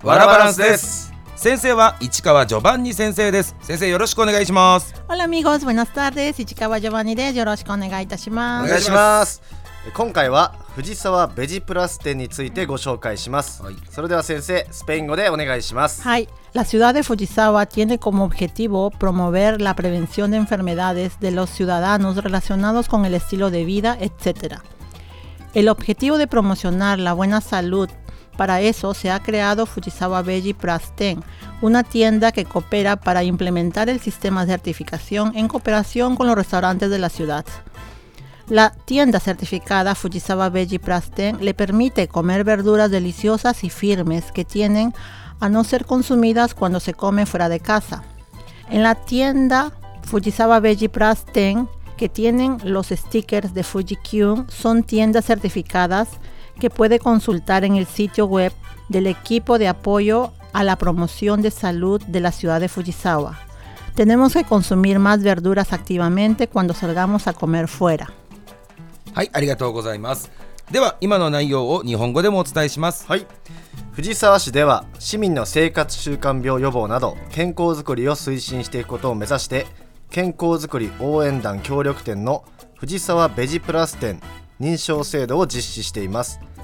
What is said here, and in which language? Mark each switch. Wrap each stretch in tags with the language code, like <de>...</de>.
<ja>ワラバランスです。先生は市川ジョバンニ先生です。先生よろしくお願いします。</ja> <es>オラミゴーズブナスター</es> <ja>です。市川ジョバンニです。よろしくお願いいたします。お願いします。今回は藤沢ベジプラス店についてご紹介します、はい、それでは先生スペイン語でお願いします。はい。</ja> <es>La ciudad de Fujisawa tiene como objetivo promover la prevención de enfermedades de los ciudadanos relacionados con el estilo de vida, etc. El objetivo de promocionar la buena salud, para eso se ha creado Fujisawa Veggie Plus 10, una tienda que coopera para implementar el sistema de certificación en cooperación con los restaurantes de la ciudad. La tienda certificada Fujisawa Veggie Plus 10 le permite comer verduras deliciosas y firmes que tienen a no ser consumidas cuando se come fuera de casa. En la tienda Fujisawa Veggie Plus 10, que tienen los stickers de Fuji-Q, son tiendas certificadas que puede consultar en el sitio web del equipo de apoyo a la promoción de salud de la ciudad de Fujisawa. Tenemos que consumir más verduras activamente cuando salgamos a comer fuera.</es> <ja>はい、ありがとうございます。では今の内容を日本語でもお伝えします。はい。藤沢市では市民の生活習慣病予防など健康づくりを推進していくことを目指して、健康づくり応援団協力店の藤沢ベジプラス店認証制度を実施しています。</ja>